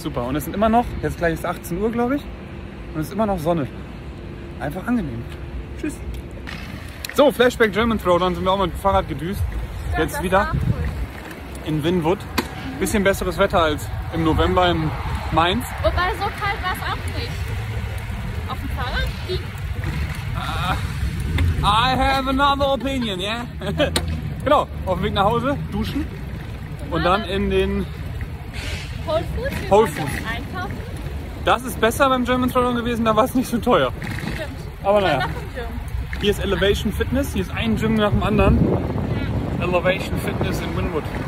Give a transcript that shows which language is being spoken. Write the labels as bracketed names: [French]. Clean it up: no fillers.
[German] Super, und es sind immer noch, jetzt gleich ist 18 Uhr, glaube ich, und es ist immer noch Sonne. Einfach angenehm. Tschüss. So, Flashback German Throwdown, sind wir auch mit dem Fahrrad gedüst. Stimmt, jetzt wieder in Wynwood. Mhm. Bisschen besseres Wetter als im November in Mainz. Wobei, so kalt war es auch nicht. Auf dem Fahrrad? [English] I have another opinion, yeah? [German] Genau, auf dem Weg nach Hause, duschen. Und dann in den Whole Foods. Einkaufen. Das ist besser beim German Throwdown gewesen, da war es nicht so teuer. Stimmt. Aber naja. Hier ist Elevation Fitness, hier ist ein Gym nach dem anderen. Elevation Fitness in Wynwood.